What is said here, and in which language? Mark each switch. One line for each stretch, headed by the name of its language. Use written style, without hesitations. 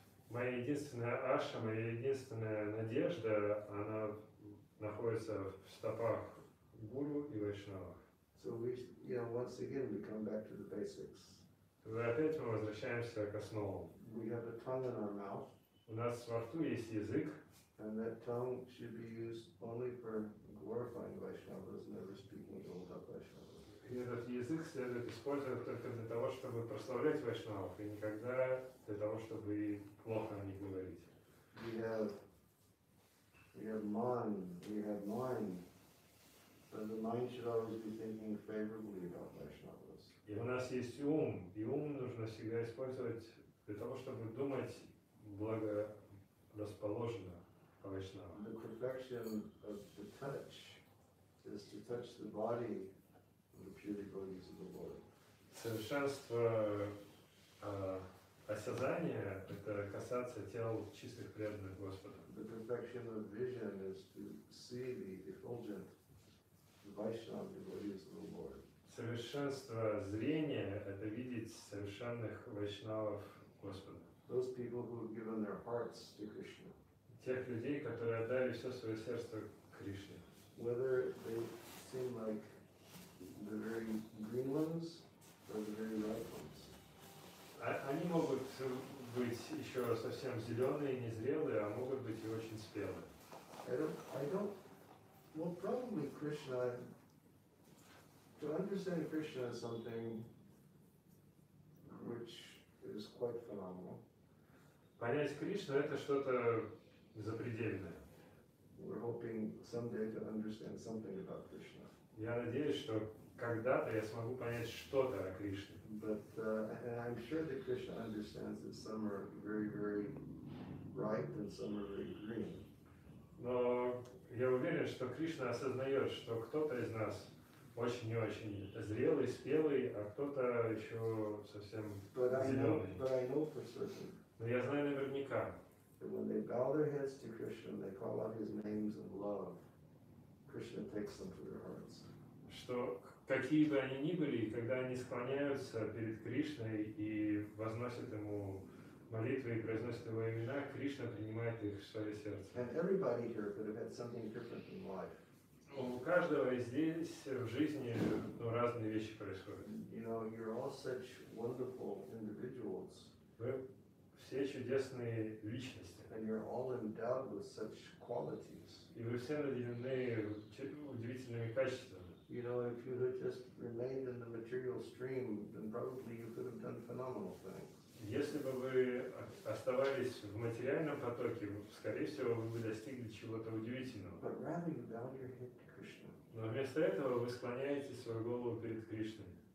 Russian: Моя единственная Аша, моя единственная надежда, она находится в стопах Гуру и Вайшнава.
English: So we, you know, once again we come back to the basics.
Russian: Тогда опять мы возвращаемся к основам.
English: We have a tongue in our mouth.
Russian: У нас во рту есть язык.
English: And that tongue should be used only for glorifying Vaishnavas, never speaking ill about Vaishnavas.
Russian: И этот язык следует использовать только для того, чтобы прославлять Вайшнавов, и никогда для того, чтобы плохо о них говорить.
English: We have mind. So the mind should always be thinking favorably about Vaishnavas.
Russian: И у нас есть ум, и ум нужно всегда использовать для того, чтобы думать благорасположенно о Вайшнавах.
English: The perfection of the touch is to touch the body of the pure devotees of the Lord.
Russian: Совершенство осязания — это касаться тел чистых преданных Господа.
English: The perfection of vision is to see the effulgent Vaishnava devotees of the Lord.
Russian: Совершенство зрения — это видеть совершенных вайшнавов Господа.
English: Those people who have given their hearts to Krishna.
Russian: Тех людей, которые отдали все свое сердце Кришне.
English: Whether they seem like the very green ones or the very red ones.
Russian: Они могут быть еще совсем зеленые, незрелые, а могут быть и очень спелые.
English: Well, probably Krishna. To understand Krishna is something which is quite phenomenal.
Russian: Понять Кришну — это что-то запредельное.
English: We're hoping someday to understand something about Krishna.
Russian: Я надеюсь, что когда-то я смогу понять что-то о Кришне.
English: But I'm sure that Krishna understands that some are very, very ripe and some are very green.
Russian: Но я уверен, что Кришна осознает, что кто-то из нас очень и очень зрелый, спелый, а кто-то еще совсем зеленый. Но я знаю наверняка.
English: When they bow their heads to Krishna, they call out his names in love. Krishna takes them to their hearts.
Russian: Что какие бы они ни были, когда они склоняются перед Кришной и возносят ему молитвы и произносят его имена, Кришна принимает их в свое сердце.
English: And everybody here could have had something different in life.
Russian: У каждого здесь в жизни разные вещи происходят.
English: You know, you're all such wonderful individuals.
Russian: Все чудесные личности.
English: And you're all endowed with such qualities.
Russian: И вы все наделены удивительными качествами.
English: You know, if you had just remained in the material stream, then probably you could have done phenomenal things.
Russian: Если бы вы оставались в материальном потоке, скорее всего, вы бы достигли чего-то удивительного.
English: But rather you bow your head to Krishna.
Russian: Но вместо этого вы склоняете свою голову перед Кришной.